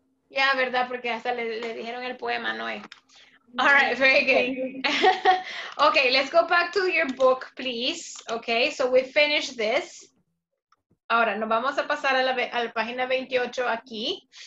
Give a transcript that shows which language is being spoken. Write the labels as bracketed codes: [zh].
[es] Ya, [en] yeah, [es] verdad, porque hasta le dijeron el poema, Noé. [en] All right, very good. Okay, let's go back to your book, please. Okay, so we finished this. [es] Ahora, nos vamos a pasar a la página 28 aquí.